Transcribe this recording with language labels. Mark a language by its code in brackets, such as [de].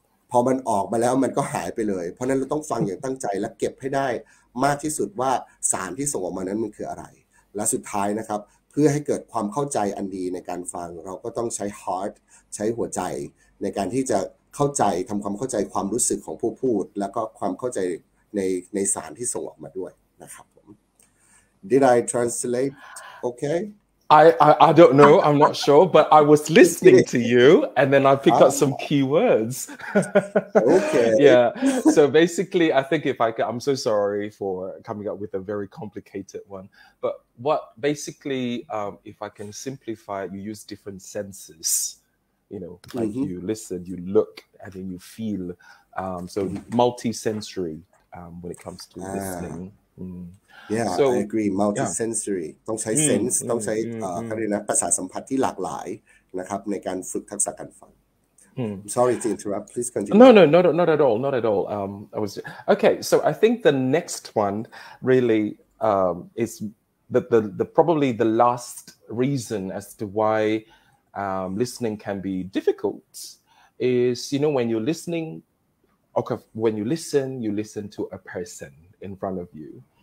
[th] พอมันออกมาแล้วมันก็หายไปเลยเพราะนั้นเราต้องฟังอย่างตั้งใจและเก็บให้ได้มากที่สุดว่าสารที่ส่งออกมานั้นมันคืออะไรและสุดท้ายนะครับเพื่อให้เกิดความเข้าใจอันดีในการฟังเราก็ต้องใช้ heart ใช้หัวใจในการที่จะเข้าใจทำความเข้าใจความรู้สึกของผู้พูดแล้วก็ความเข้าใจในสารที่ส่งออกมาด้วยนะครับผม [en] Did I translate okay I don't know I'm not sure but I was listening to you and then I picked up some keywords okay yeah so basically I think if I could, I'm so sorry for coming up with a very complicated one but what basically if I can simplify you use different senses you know like you listen you look and then you feel so multi-sensoryWhen it comes to listening. Yeah, so, I agree. Multi-sensory. Yeah. [th] ต้องใช้ sense. ต้องใช้คือนะภาษาสัมผัสที่หลากหลายนะครับในการฝึกทักษะการฟัง [en] Sorry to interrupt. Please continue. No, not at all. Okay, so I think the next one really is the probably the last reason as to why listening can be difficult is, you know, when you're listening... Okay, when you listen to a person in front of you.